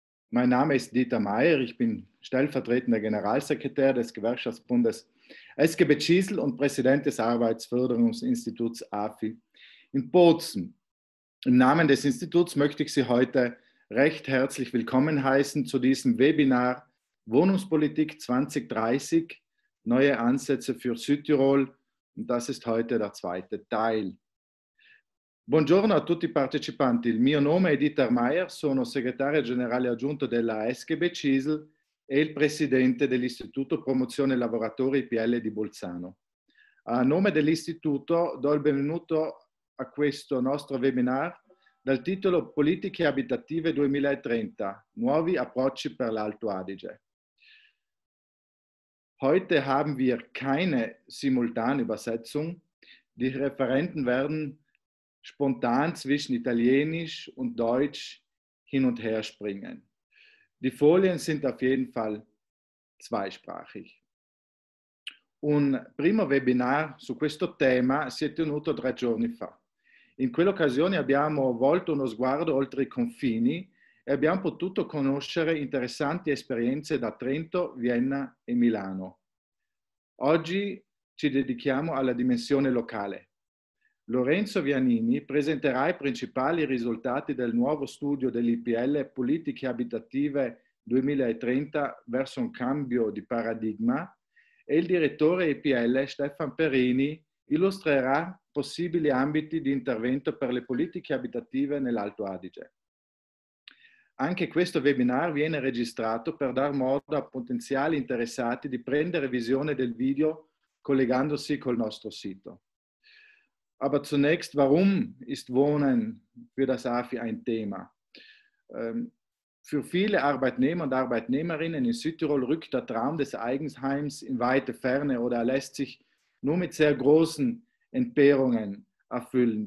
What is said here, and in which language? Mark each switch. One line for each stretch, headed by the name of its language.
German: Mein Name ist Dieter Meier, ich bin stellvertretender Generalsekretär des Gewerkschaftsbundes SGB Gisl und Präsident des Arbeitsförderungsinstituts AFI in Bozen. Im Namen des Instituts möchte ich Sie heute recht herzlich willkommen heißen zu diesem Webinar Wohnungspolitik 2030, neue Ansätze für Südtirol. Und das ist heute der zweite Teil.
Italian: Buongiorno a tutti i partecipanti. Il mio nome è Dieter Meier, sono segretario generale aggiunto della SGB Gisl e il presidente dell'Istituto Promozione Lavoratori IPL di Bolzano. A nome dell'Istituto do il benvenuto a questo nostro webinar dal titolo Politiche Abitative 2030, nuovi approcci per l'Alto Adige.
German: Heute haben wir keine Simultanübersetzung. Die Referenten werden spontan zwischen Italienisch und Deutsch hin und her springen. Die Folien sind auf jeden Fall zweisprachig.
Italian: Un primo Webinar su questo tema si è tenuto 3 giorni fa. In quell'occasione abbiamo volto uno sguardo oltre i confini e abbiamo potuto conoscere interessanti esperienze da Trento, Vienna e Milano. Oggi ci dedichiamo alla dimensione locale. Lorenzo Vianini presenterà i principali risultati del nuovo studio dell'IPL Politiche Abitative 2030 verso un cambio di paradigma e il direttore IPL Stefan Perini illustrerà possibili ambiti di intervento per le politiche abitative nell'Alto Adige. Anche questo webinar viene registrato per dar modo a potenziali interessati di prendere visione del video collegandosi col nostro sito.
German: Aber zunächst, warum ist Wohnen für das AFI ein Thema? Für viele Arbeitnehmer und Arbeitnehmerinnen in Südtirol rückt der Traum des Eigenheims in weite Ferne oder lässt sich nur mit sehr großen Entbehrungen erfüllen.